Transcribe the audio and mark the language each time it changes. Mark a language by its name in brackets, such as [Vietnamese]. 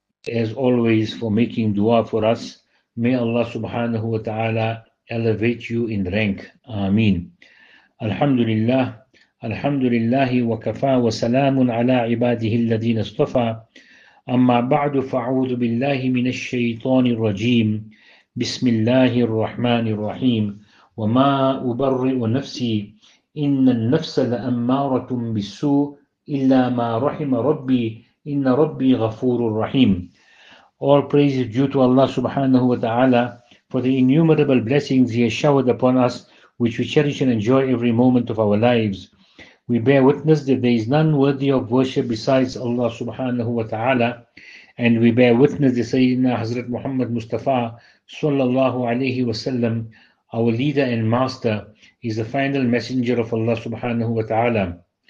[English] As always for making dua for us, may Allah subhanahu wa ta'ala elevate you in rank. [Arabic] آمين. الحمد لله الحمد لله وكفى وسلام على عباده الذين اصطفى. أما بعد فأعوذ بالله من الشيطان الرجيم. بسم الله الرحمن الرحيم. وما أبرئ نفسي إن النفس لأمارة بالسوء إلا ما رحم ربي إن ربي غفور رحيم. [English] All praise is due to Allah subhanahu wa ta'ala for the innumerable blessings He has showered upon us, which we cherish and enjoy every moment of our lives. We bear witness that there is none worthy of worship besides Allah subhanahu wa ta'ala, and we bear witness that Sayyidina Hazrat Muhammad Mustafa sallallahu alayhi wa sallam, our leader and master, is the final messenger of Allah subhanahu wa ta'ala.